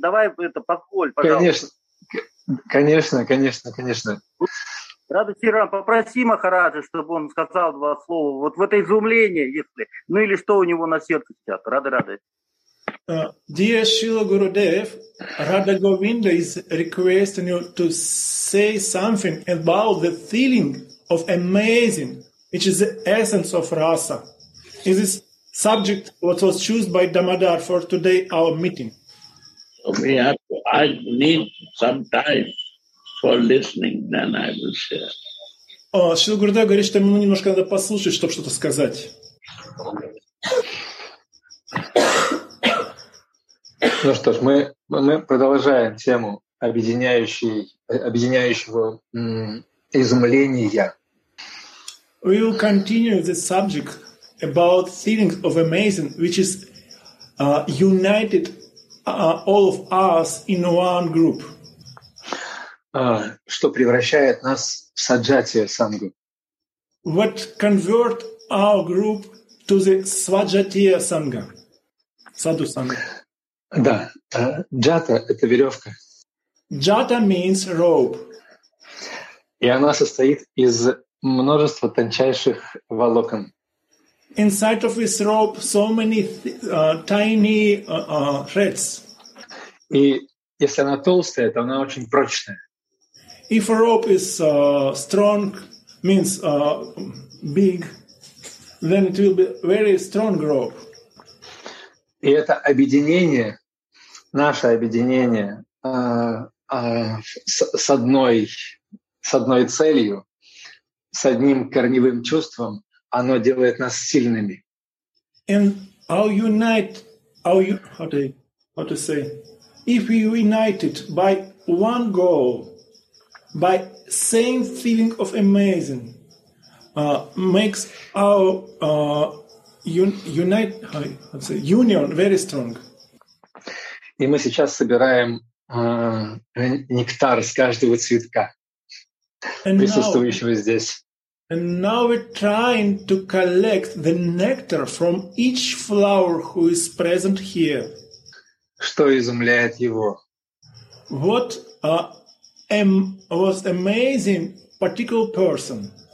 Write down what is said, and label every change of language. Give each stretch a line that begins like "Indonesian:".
Russian: Давай это подколь, пожалуйста. Конечно. Рады Чиран, попроси Махараджа, чтобы он сказал два слова. Вот в это изумление, если. Ну или что у него на сердце сейчас. Рады.
English: Dear Shila Gurudev, Radha Govinda is requesting you to say something about the feeling of amazing. Which is the essence of rasa. Is this subject what was chosen by Damodar for today, our meeting? I need some time for listening, then I will share.
Russian: Шрила Гурудев говорит, что ему немножко надо послушать, чтобы что-то сказать. Ну что ж, мы продолжаем тему объединяющего изумления.
English: We will continue the subject about feelings of amazing, which is united all of us in one group.
Russian: Что превращает нас в саджатия сангу?
English: What convert our group to the сваджатия санга? Саду санга.
Russian: Да. Джата — это веревка.
English: Джата means rope.
Russian: И она состоит из множество тончайших волокон.
English: Inside of this rope, so many tiny threads.
Russian: И если она толстая, то она очень прочная.
English: If a rope is strong, means big, then it will be very strong rope.
Russian: И это объединение, наше объединение с одной целью, с одним корневым чувством, оно делает нас сильными.
English: And how unite, how you, how to say, if we united by one goal, by same feeling of amazing, makes our unite, how to say, union very strong.
Russian: И мы сейчас собираем нектар с каждого цветка.
English: And
Russian: присутствующего здесь.
English: And now we're trying to collect the nectar from each flower who is present here.
Russian: Что изумляет его?
English: What was amazing particular person?